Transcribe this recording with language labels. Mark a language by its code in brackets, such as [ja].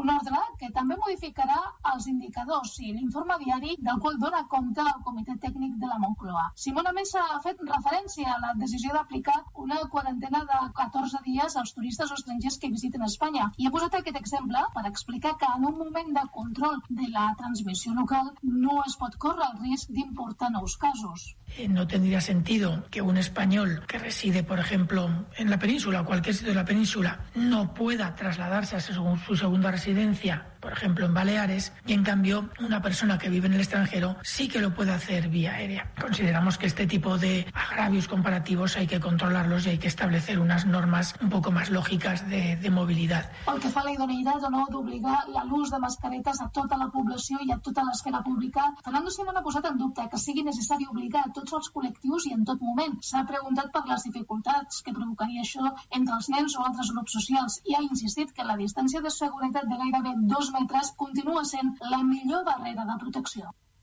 [ca] Un ordre que també modificarà els indicadors i l'informe diari del qual dona compte el Comitè Tècnic de la Moncloa. Simona Mesa ha fet referència a la decisió d'aplicar una quarantena de 14 dies als turistes o estrangers que visiten Espanya i ha posat aquest exemple per explicar que en un moment de control de la transmissió local no es pot córrer el risc d'importar nous casos. [es] No tendría sentido que un español que reside, por ejemplo, en la península o cualquier sitio de la península no pueda trasladarse a su segunda residencia, por ejemplo, en Baleares, y en cambio una persona que vive en el extranjero sí que lo puede hacer vía aérea. Consideramos que este tipo de agravios comparativos hay que controlarlos y hay que establecer unas normas un poco más lógicas de movilidad. [ca] Pel que fa a la idoneïtat o no d'obligar l'ús de mascaretes a tota la població i a tota l'esfera pública, Fernando Simón ha posat en dubte que sigui necessari obligar a tots els col·lectius i en tot moment. S'ha preguntat per les dificultats que provocaria això entre els nens o altres grups socials i ha insistit que la distància de seguretat de gairebé 2 metres continua sent la millor barrera de protecció.